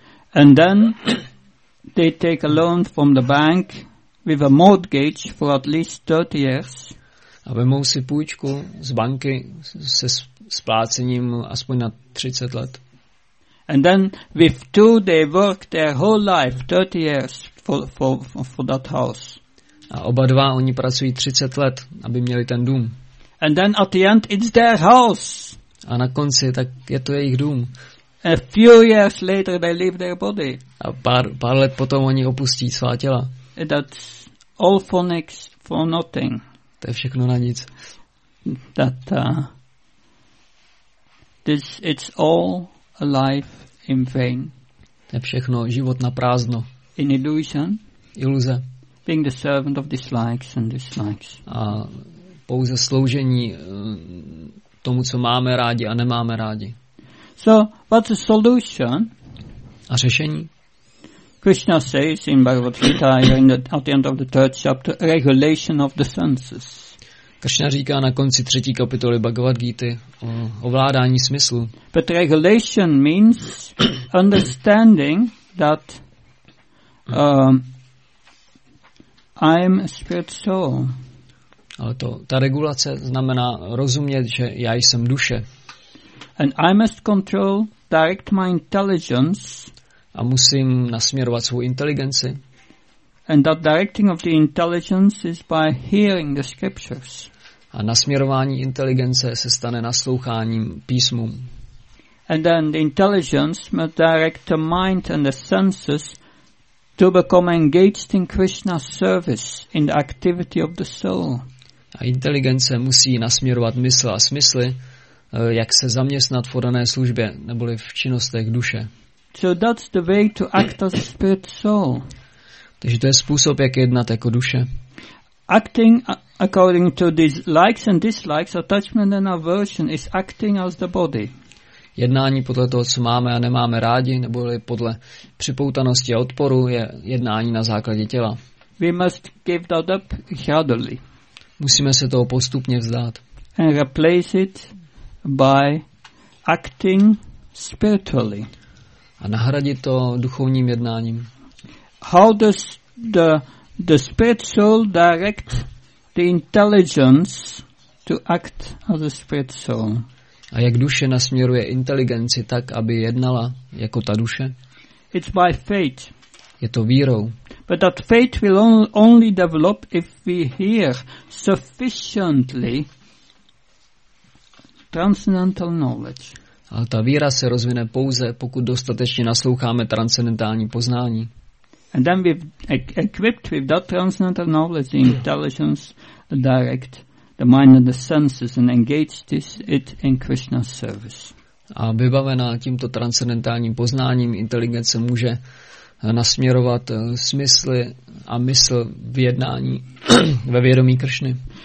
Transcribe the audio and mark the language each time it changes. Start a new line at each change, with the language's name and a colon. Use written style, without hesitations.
English: And then they take a loan from the bank with a mortgage for at least 30 years.
Czech: A vezmou si půjčku z banky se splácením aspoň na 30 let.
English: And then with two they work their whole life 30 years for that house.
Czech: A oba dva oni pracují 30 let, aby měli ten dům.
English: And then at the end it's their house.
Czech: A na konci tak je to jejich dům.
English: A few years later they leave their body.
Czech: A pár let potom oni opustí svá těla.
English: That's all phonics for nothing.
Czech: To je všechno na nic.
English: That this it's all a life in vain.
Czech: To je všechno život na prázdno.
English: In illusion.
Czech: Iluze.
English: Being the servant of dislikes and dislikes.
Czech: A pouze sloužení tomu, co máme rádi a nemáme rádi.
English: So, what's the solution?
Czech: A řešení?
English: Krishna says in Bhagavad Gita, at the end of the third chapter, regulation of the senses.
Czech: Krishna říká na konci třetí kapitoly Bhagavad Gita o ovládání smyslu.
English: But regulation means understanding that I am a spirit soul.
Czech: Ale to, ta regulace znamená rozumět, že já jsem duše.
English: And I must control, direct my intelligence.
Czech: A musím nasměrovat svou inteligenci.
English: And that directing of the intelligence is by hearing the scriptures.
Czech: A nasměrování inteligence se stane nasloucháním písmům.
English: And then the intelligence must direct the mind and the senses to become engaged in Krishna's service, in the activity of the soul.
Czech: A inteligence musí nasměrovat mysl a smysly, jak se zaměstnat v podané službě, neboli v činnostech duše.
English: So that's the way to act as a spirit soul.
Czech: Takže to je způsob, jak jednat jako duše.
English: Acting according to these likes and dislikes, attachment and aversion is acting as the body.
Czech: Jednání podle toho, co máme a nemáme rádi, neboli podle připoutanosti a odporu, je jednání na základě těla.
English: We must give that up gradually.
Czech: Musíme se toho postupně vzdát.
English: And replace it by acting spiritually.
Czech: A nahradit to duchovním jednáním.
English: how does the spirit soul direct the intelligence to act as a spirit soul?
Czech: A jak duše nasměruje inteligenci tak, aby jednala jako ta duše?
English: It's by faith.
Czech: Je to vírou.
English: But that faith will only develop if we hear sufficiently transcendental knowledge.
Czech: Ale ta víra se rozvine pouze, pokud dostatečně nasloucháme transcendentální poznání.
English: And then we've equipped with that transcendental knowledge, intelligence, direct the mind and the senses and engaged it in Krishna's service.
Czech: A vybavená tímto transcendentálním poznáním inteligence může nasměrovat smysly a mysl v jednání ve vědomí Krišny.